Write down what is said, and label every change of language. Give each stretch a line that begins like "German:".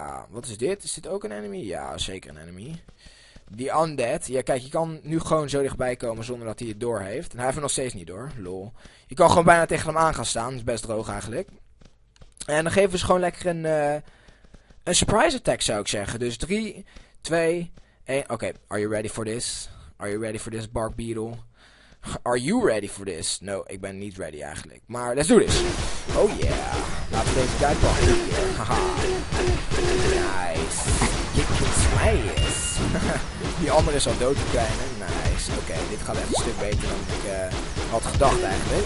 Dutch: Wat is dit? Is dit ook een enemy? Ja, zeker een enemy. Die undead. Ja, kijk, je kan nu gewoon zo dichtbij komen zonder dat hij het doorheeft. En hij heeft hem nog steeds niet door. Lol. Je kan gewoon bijna tegen hem aan gaan staan. Dat is best droog eigenlijk. En dan geven ze gewoon lekker een surprise attack, zou ik zeggen. Dus 3, 2, 1.
English: Oké, are you ready for this? Are you ready for this, Bark Beetle? Are you ready for this?
Dutch: No, ik ben niet ready eigenlijk. Maar
English: let's do this. Oh yeah.
Dutch: Laten we deze guy pakken.
English: Haha. Nice. Kick his ass.
Dutch: Die andere is al dood te kleinen. Nice. Oké, dit gaat echt een stuk beter dan ik had gedacht eigenlijk.